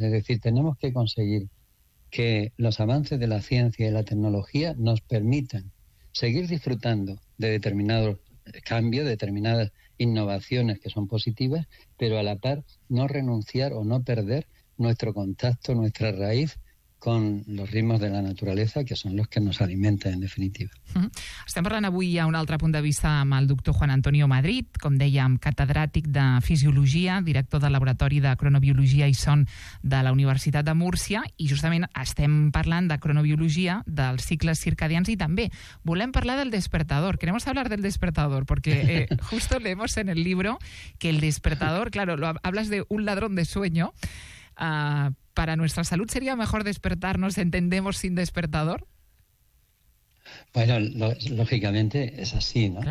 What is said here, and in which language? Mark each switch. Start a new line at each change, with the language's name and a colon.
Spanish: Es decir, tenemos que conseguir que los avances de la ciencia y la tecnología nos permitan seguir disfrutando de determinados cambios, de determinadas innovaciones que son positivas, pero a la par no renunciar o no perder nuestro contacto, nuestra raíz con los ritmos de la naturaleza,
Catalan: que són els que ens alimenten, en definitiva. Estem parlant avui a un altre punt de vista amb el doctor Juan Antonio Madrid, com dèiem, catedràtic de Fisiologia, director del Laboratori de Cronobiologia i Son de la Universitat de Múrcia, i justament estem parlant de cronobiologia, dels cicles circadians, i també volem parlar del despertador.
Spanish: Queremos hablar del despertador, porque justo leemos en el libro que el despertador, claro, lo hablas de un ladrón de sueño, ¿para nuestra salud sería mejor despertarnos, entendemos, sin despertador? Bueno, lógicamente es así, ¿no?